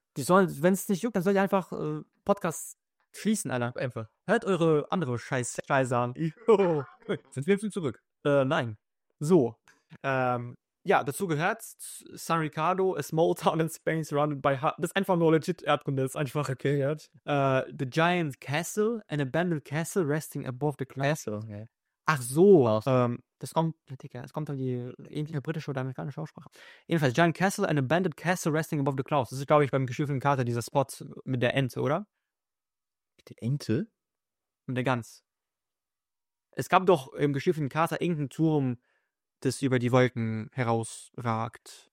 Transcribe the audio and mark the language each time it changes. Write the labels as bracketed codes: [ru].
[de] Die sollen, wenn es nicht juckt, dann sollt ihr einfach Podcasts schließen, Alter. Einfach. Hört eure andere Scheiße an. Jo. Sind wir schon zurück? Nein. So. Ja, dazu gehört [en] San Ricardo, a small town in Spain surrounded by. [de] Ha das ist einfach nur legit Erdkunde, das ist einfach. Okay, ja. [en] The giant castle, an abandoned castle resting above the clouds. [de] Castle, okay. Ach so, Was? das kommt, Digga, das kommt an die ähnliche britische oder amerikanische Aussprache. Jedenfalls, [en] giant castle, an abandoned castle resting above the clouds. [de] Das ist, glaube ich, beim gestiefelten Kater dieser Spot mit der Ente, oder? Mit der Ente? Und der Gans. Es gab doch im geschiffenen Kater irgendeinen Turm, das über die Wolken herausragt.